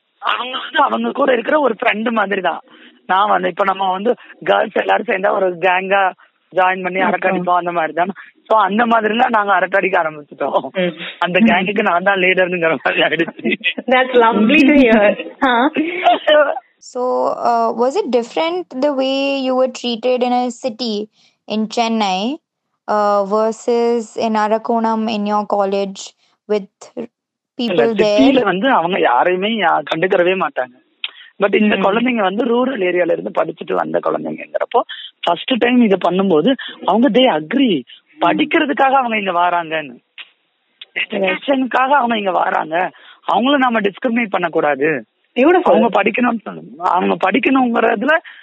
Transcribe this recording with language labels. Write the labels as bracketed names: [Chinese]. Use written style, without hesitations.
[Tamil] அவங்க வந்து அவங்க கூட இருக்கிற ஒரு ஃப்ரெண்டு மாதிரி தான். நான் வந்து இப்ப நம்ம வந்து கேர்ள்ஸ் எல்லாரும் சேர்ந்தா ஒரு கேங்கா ஜாயின் பண்ணி அரட்டடிப்போம் அந்த மாதிரி தான். ஸோ அந்த மாதிரிலாம் நாங்க அரட்டடிக்க ஆரம்பிச்சிட்டோம். அந்த கேங்குக்கு நான் தான் லீடர்ங்கிற மாதிரி ஆயிடுச்சு. [English] So, was it different the way you were treated in a city in Chennai versus in Arakonam in your college with people there? [Tamil] சிட்டில வந்து அவங்க யாரையுமே கண்டுக்கவே மாட்டாங்க. பட் இந்த குழந்தைங்க வந்து ரூரல் ஏரியால இருந்து படிச்சுட்டு வந்த குழந்தைங்கிறப்போ ஃபர்ஸ்ட் டைம் இதை பண்ணும்போது அவங்க தே அக்ரி படிக்கிறதுக்காக அவங்க இங்க வராங்கன்னு, அவங்க இங்க வராங்க, அவங்கள நாம டிஸ்கிரிமினேட் பண்ணக்கூடாது, அவங்க படிக்கணும்னு சொல்லணும், அவங்க படிக்கணுங்கிறதுல